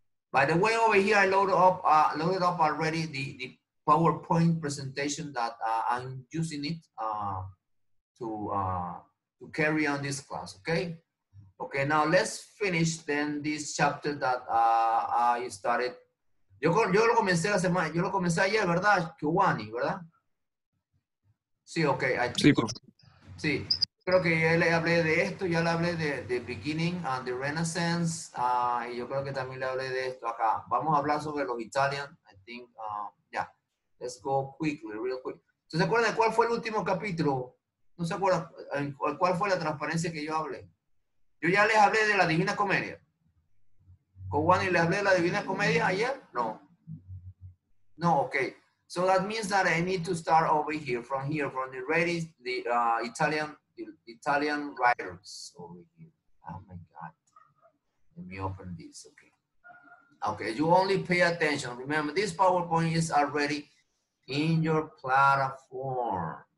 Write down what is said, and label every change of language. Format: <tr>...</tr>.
<en>By the way, over here I loaded up already the PowerPoint presentation that I'm using it to carry on this class. Okay? Okay, now let's finish then this chapter that I started.</en> <es>Yo lo comencé la semana, yo lo comencé ayer, ¿verdad? Kiwani, ¿verdad? Sí, okay. Sí, creo que ya le hablé de esto, ya le hablé de</es> <en>beginning and the Renaissance,</en> <es>y yo creo que también le hablé de esto acá. Vamos a hablar sobre los</es> <en>Italian, I think, yeah. Let's go quickly, real quick.</en> <es>¿Tú se acuerdan de cuál fue el último capítulo? ¿No se acuerdan cuál fue la transparencia que yo hablé? Yo ya les hablé de la Divina Comedia. ¿Kowani, les hablé de la Divina Comedia ayer? No. No, okay.</es> <en>So that means that I need to start over here, from the ready, the Italian writers over here. Oh my God. Let me open this, okay. Okay, you only pay attention. Remember, this PowerPoint is already in your platform.</en>